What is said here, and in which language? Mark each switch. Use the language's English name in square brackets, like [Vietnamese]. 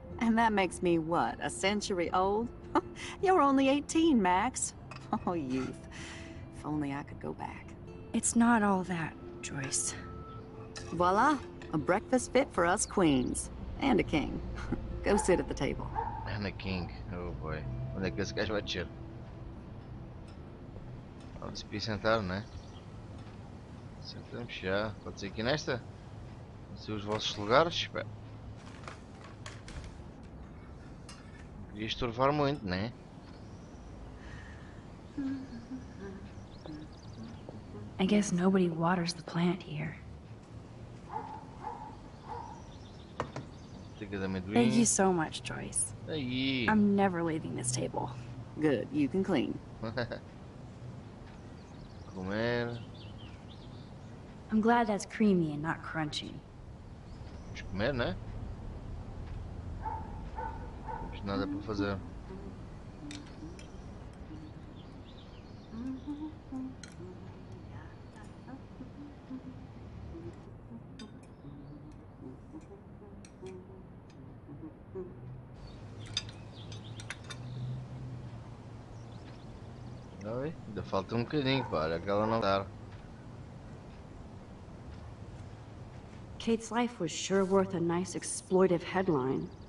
[English] And that makes me what, a century old? You're only 18, Max. Oh, youth. If only I could go back. It's not all that, Joyce. Voila, A breakfast fit for us queens. And a king. Go sit at the table. And a king. Oh boy. [Portuguese] Onde é que esse gajo vai descer? Vamos ir sentar, né? Sentamos já. Pode ser aqui nesta? Vamos ser os vossos lugares? Espera. Não queria estorvar muito, né? [English] I guess nobody waters the plant here. Thank you so much, Joyce. I'm never leaving this table. Good, you can clean. [Portuguese] Comer. [English] I'm glad that's creamy and not crunchy. [Portuguese] Vamos comer, né? Temos nada para fazer. Ainda falta um bocadinho, para aquela não dar. [English] Kate's life was sure worth a nice exploitive headline.